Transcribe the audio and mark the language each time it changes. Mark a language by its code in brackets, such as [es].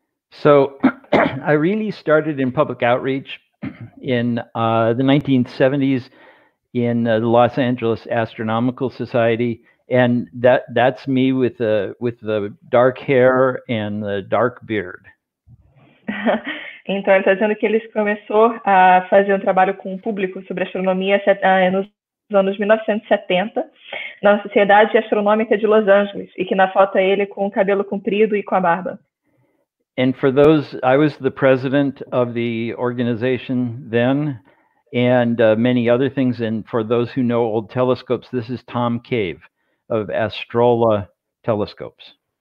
[en] So, I really started in public outreach in the 1970s in the Los Angeles Astronomical Society, and that's me with the dark hair and the dark beard. [pt] Então, ele está dizendo que ele começou a fazer um trabalho com o público sobre astronomia nos anos 1970, na Sociedade Astronômica de Los Angeles, e que na foto é ele com o cabelo comprido e com a barba. [en] And for those, I was the president of the organization then, and many other things. And for those who know old telescopes, this is Tom Cave of Astrola Telescopes.